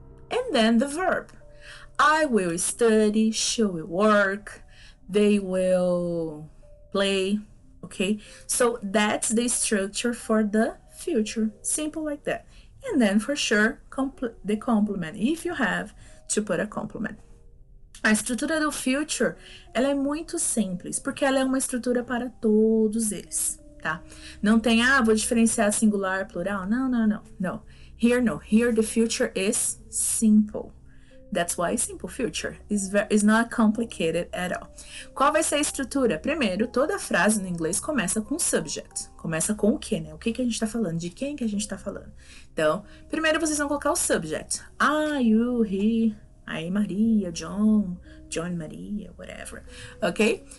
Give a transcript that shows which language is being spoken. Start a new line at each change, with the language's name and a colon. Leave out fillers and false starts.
English: And then the verb. I will study, she will work, they will play, okay? So that's the structure for the future, simple like that. And then for sure, the complement, if you have to put a complement.
Portuguese: A estrutura do future, ela é muito simples, porque ela é uma estrutura para todos eles, tá? Não tem, ah, vou diferenciar singular, plural, não.
English: Here, no. Here, the future is simple. That's why simple future is not complicated at all.
Portuguese: Qual vai ser a estrutura? Primeiro, toda frase no inglês começa com subject. Começa com o quê, né? O que que a gente tá falando? De quem que a gente tá falando? Então, primeiro vocês vão colocar o subject.
English: I, you, he, aí Maria, John, John Maria, whatever. Ok?